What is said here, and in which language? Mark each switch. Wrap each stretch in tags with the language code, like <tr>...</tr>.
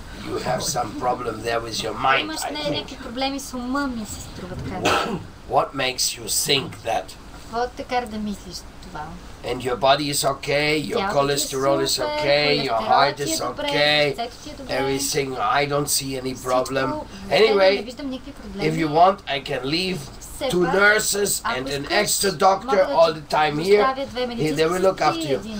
<en>You have some problem there with your mind, I think.</en> <bg>Имаш някакви проблеми с ума ми, се струва така.</bg> <en>What makes you think that?</en> <bg>Какво те кара да мислиш това?</bg> <en>And your body is okay, your cholesterol is okay, your heart is okay, everything, I don't see any problem. Anyway, if you want, I can leave two nurses and an extra doctor all the time here. They will look after you.</en>